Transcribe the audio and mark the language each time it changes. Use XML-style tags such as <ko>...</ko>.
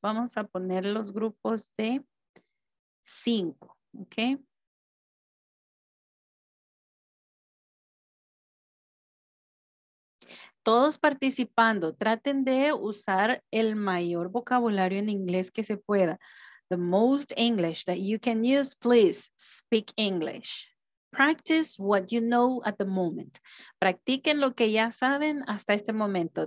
<es>Vamos a poner los grupos de 5, ¿ok? Todos participando, traten de usar el mayor vocabulario en inglés que se pueda.</es> <en>The most English that you can use, please speak English. Practice what you know at the moment.</en> <es>Practiquen lo que ya saben hasta este momento.</es>